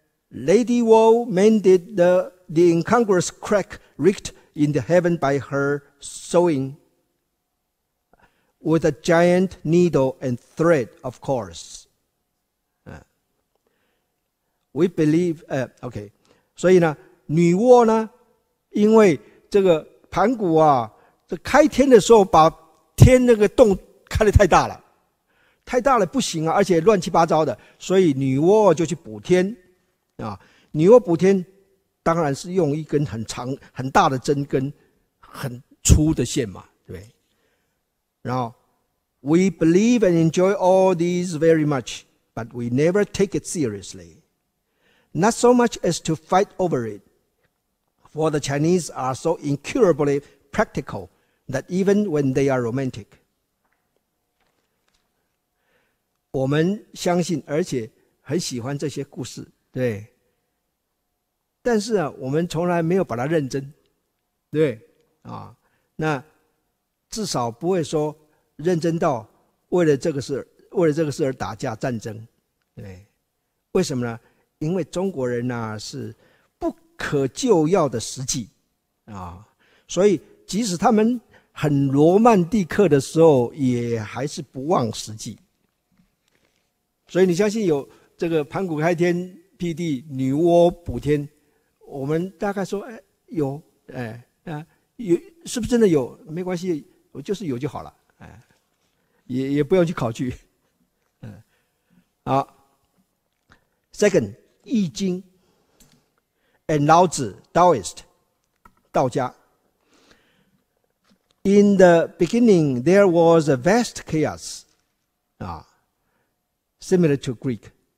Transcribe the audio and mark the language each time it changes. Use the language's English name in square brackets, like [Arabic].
[English] Lady Wall mended the incongruous crack rigged in the heaven by her sewing with a giant needle and thread, of course. We believe, okay, [Chinese] 所以呢。女娲呢，因为这个盘古啊，这开天的时候把天那个洞开得太大了，太大了不行啊，而且乱七八糟的，所以女娲就去补天啊。女娲补天当然是用一根很长很大的针跟很粗的线嘛，对。 [English] 然后 We believe and enjoy all these very much, but we never take it seriously. Not so much as to fight over it. For the Chinese are so incurably practical that even when they are romantic, [Chinese] 我们相信而且很喜欢这些故事，对。但是啊，我们从来没有把它认真，对啊。那至少不会说认真到为了这个事而打架战争，对。为什么呢？因为中国人呢、是。可救药的实际啊，所以即使他们很罗曼蒂克的时候也还是不忘实际，所以你相信有这个盘古开天辟地女娲补天，我们大概说有是不是真的有没关系，我就是有就好了，也不用去考据。好， [English] Second 易经And 老子 Taoist, 道家 In the beginning, there was a vast chaos, similar to Greek.